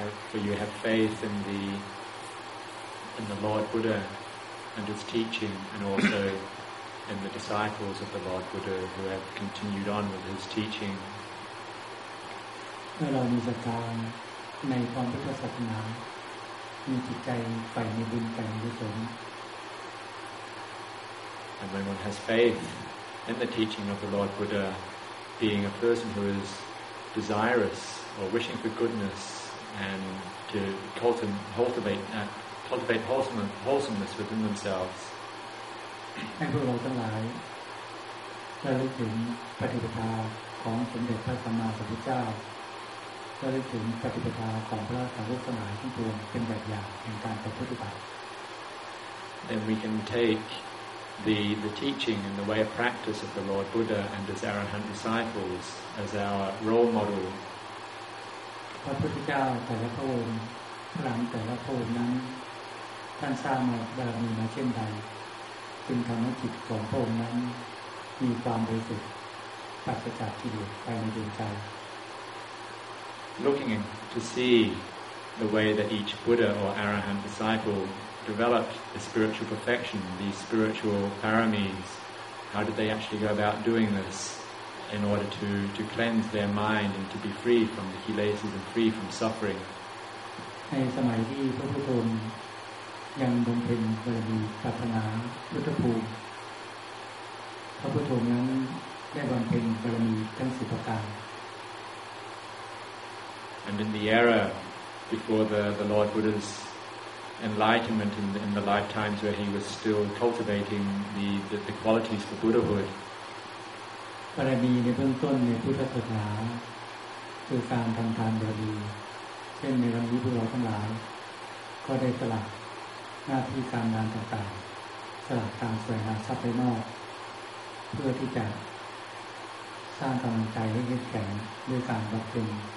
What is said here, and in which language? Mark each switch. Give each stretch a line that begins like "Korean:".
English: for you have faith in the Lord Buddha and his teaching and also in the disciples of the Lord Buddha who have continued on with his teaching
Thai: เรามีศรัทธาในความพุทธศาสนามีจิตใจใฝ่ในบุญใฝ่ในกุศล
English: And when one has faith in the teaching of the Lord Buddha, being a person who is desirous or wishing for goodness and to cultivate wholesomeness within themselves.
Thai: ให้พวกเราทั้งหลายได้รู้ถึงปฏิปทาของสมเด็จพระสัมมาสัมพุทธเจ้าก็ได้ถึงปฏิปทาของพระสาวกทั้งหลายที่ตัวเป็นแบบอย่างในการประพฤติปฏิบัติ
English: Then we can take the teaching and the way of practice of the Lord Buddha and his arahant disciples as our role model
Thai: พระพุทธเจ้าแต่ละพระองค์พระองค์แต่ละพระองค์นั้นท่านสร้างมาบารมีมาเช่นใดจึงทำให้จิตของพระองค์นั้นมีความบริสุทธิ์ปราศจากกิเลสภายในดวงใจ
English: Looking to see the way that each Buddha or Arahant disciple developed the spiritual perfection, these spiritual paramis, how did they actually go about doing this in order to cleanse their mind and to be free from the kilesas and free from suffering?
Thai: ในสมัยที่พระพุทธองค์ยังบำเพ็ญบารมีปรารถนาพุทธภูมิพระพุทธองค์นั้นได้บำเพ็ญบารมีทั้งสิบประการ
English: And in the era before the Lord Buddha's enlightenment in the lifetimes where he was still cultivating the qualities for Buddhahood.
Thai: บารมีในเบื้องต้นในพุทธศาสนาคือการทำทานบารมีเช่นในวันนี้พวกเราทั้งหลายก็ได้สละหน้าที่การงานต่างๆสละการแสวงหาทรัพย์ภายนอกเพื่อที่จะสร้างกำลังใจให้แข็งด้วยการบำเพ็ญ